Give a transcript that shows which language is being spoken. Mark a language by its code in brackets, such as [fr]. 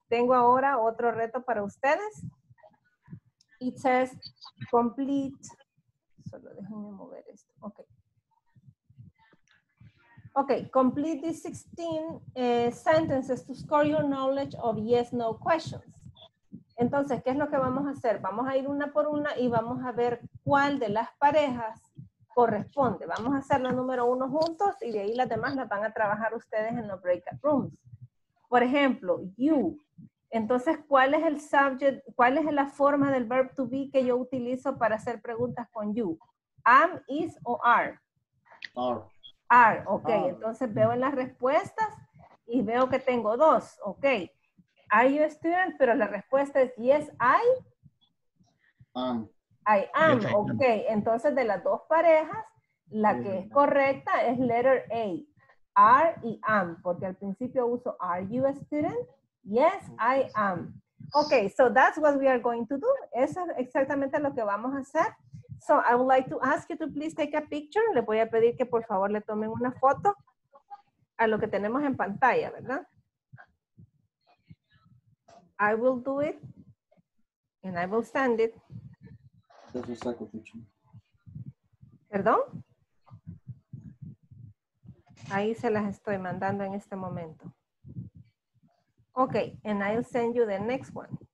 [es] Tengo ahora otro reto para ustedes. [en] It says, complete... [es] Solo déjenme mover esto. Okay. [en] Okay, complete these 16 sentences to score your knowledge of yes-no questions. [es] Entonces, ¿qué es lo que vamos a hacer? Vamos a ir una por una y vamos a ver cuál de las parejas corresponde. Vamos a hacer la número uno juntos y de ahí las demás las van a trabajar ustedes en los breakout rooms. Por ejemplo, you. Entonces, ¿cuál es el subject? ¿Cuál es la forma del verb to be que yo utilizo para hacer preguntas con you? [en] Am, is o are? Are. Ok. Are. [es] Entonces veo en las respuestas y veo que tengo dos. [en] Ok. Are you a student? [es] Pero la respuesta es [en] yes, I. I am. Yes, I am. Ok. [es] Entonces, de las dos parejas, la que es correcta es letter A. [en] Are y am. [es] Porque al principio uso [en] are you a student? Yes, I am. Ok, so that's what we are going to do. [es] Eso es exactamente lo que vamos a hacer. [en] So I would like to ask you to please take a picture. [es] Le voy a pedir que por favor le tomen una foto a lo que tenemos en pantalla, ¿verdad? [en] I will do it and I will send it. [es] ¿Perdón? Ahí se las estoy mandando en este momento. [en] Okay, and I'll send you the next one.